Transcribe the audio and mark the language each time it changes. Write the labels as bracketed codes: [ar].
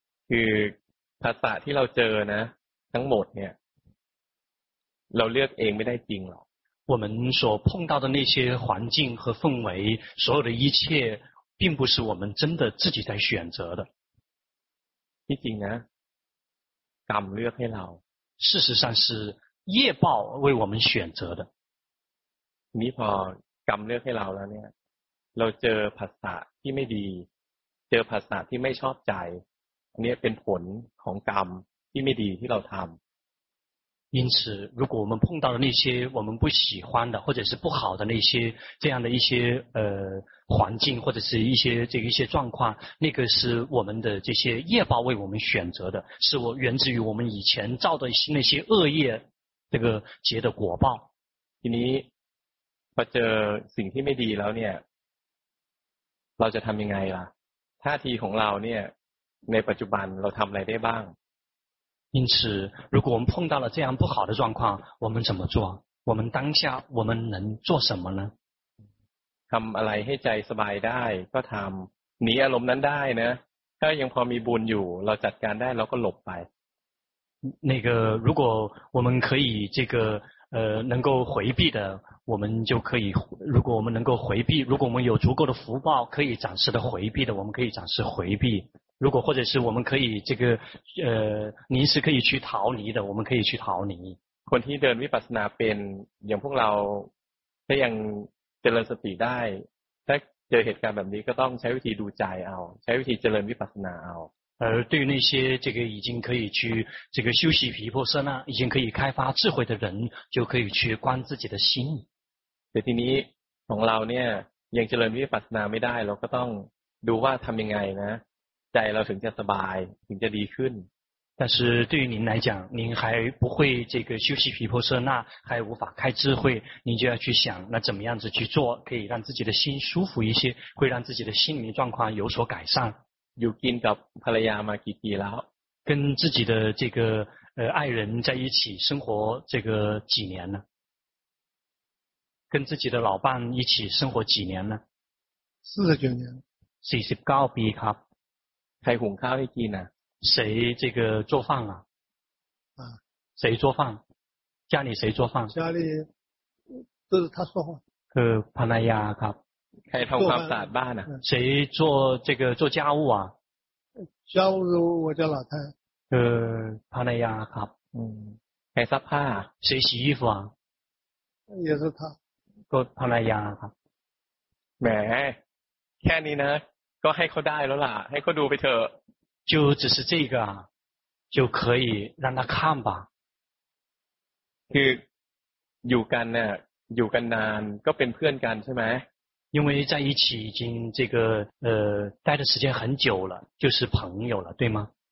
[th] คือภาษาที่เราเจอนะทั้งหมดเนี่ยเราเลือกเองไม่ได้จริงหรอก [zh] 我们所碰到的那些环境和氛围所有的一切并不是我们真的自己在选择的 [th] จริงนะกรรมเลือกให้เรา [zh] 事实上是业报为我们选择的 [th] นี่พอกรรมเลือกให้เราแล้วเนี่ยเราเจอภาษาที่ไม่ดีเจอภาษาที่ไม่ชอบใจนี่เป็นผลของกรรมที่ไม่ดีที่เราทำ [zh] 因此如果我们碰到了那些我们不喜欢的或者是不好的那些这样的一些环境或者是一些这个一些状况那个是我们的这些业报为我们选择的是我源自于我们以前造的那些恶业这个结的果报今天 [th] พอเจอสิ่งที่ไม่ดีแล้วเนี่ยเราจะทำยังไงล่ะท่าทีของเราเนี่ยในปัจจุบันเราทำอะไรได้บ้าง [zh] 因此如果我们碰到了这样不好的状况我们怎么做我们当下我们能做什么呢 [th] ทำอะไรให้ใจสบายได้ก็ทำหนีอารมณ์นั้นได้นะถ้ายังพอมีบุญอยู่เราจัดการได้เราก็หลบไป [zh] 那个如果我们可以这个能够回避的我们就可以如果我们能够回避如果我们有足够的福报可以暂时的回避的我们可以暂时回避如果或者是我们可以这个临时可以去逃离的我们可以去逃离 [th] คนที่เดินวิปัสสนาเป็นอย่างพวกเราถ้ายังเจริญสติได้ถ้าเจอเหตุการณ์แบบนี้ก็ต้องใช้วิธีดูใจเอาใช้วิธีเจริญวิปัสสนาเอา [zh] 对于那些这个已经可以去这个修习毗婆舍那已经可以开发智慧的人就可以去观自己的心 [th] แต่ทีนี้ของเราเนี่ยยังเจริญวิปัสสนาไม่ได้เราก็ต้องดูว่าทำยังไงนะใจเราถึงจะสบายถึงจะดีขึ้น [zh] 但是对于您来讲您还不会这个修习毗婆舍那还无法开智慧您就要去想那怎么样子去做可以让自己的心舒服一些会让自己的心理状况有所改善 [th] อยู่กินกับภรรยามากี่ปีแล้ว [zh] 跟自己的这个爱人在一起生活这个几年呢跟自己的老伴一起生活几年呢 49年 [th] 49ปีครับ ใครหุงข้าวให้กินนะ [zh] 谁这个做饭啊啊谁做饭家里谁做饭家里都是他说话 [th] คือภรรยาครับ ใครทำความสะอาดบ้านนะ [zh] 谁做这个做家务啊家务是我家老太 [th] คือภรรยาครับ ใครซักผ้า [zh] 谁洗衣服啊也是他 [th] ก็ภรรยาครับ แหมแค่นี้นะก็ให้เขาได้แล้วล่ะให้เขาดูไปเถอะ [zh] 就只是这个就可以让他看吧 [th] คืออยู่กันเนี่ยอยู่กันนานก็เป็นเพื่อนกันใช่ไหม [zh] 因为在一起已经这个待的时间很久了就是朋友了对吗